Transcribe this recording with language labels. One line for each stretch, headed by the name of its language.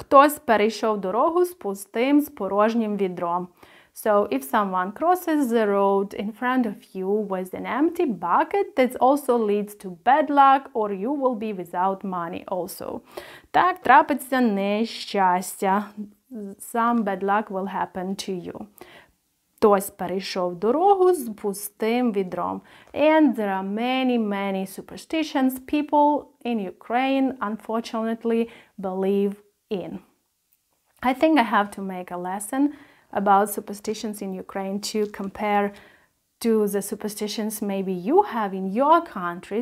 Ukrainian: Хтось перейшов дорогу з пустим, з порожнім відром.
English: So, if someone crosses the road in front of you with an empty bucket, this also leads to bad luck or you will be without money also.
Ukrainian: Так трапиться нещастя.
English: Some bad luck will happen to you.
Ukrainian: Хтось перейшов дорогу з пустим відром.
English: And there are many, many superstitions people in Ukraine, unfortunately, believe in. I think I have to make a lesson about superstitions in Ukraine to compare to the superstitions maybe you have in your country.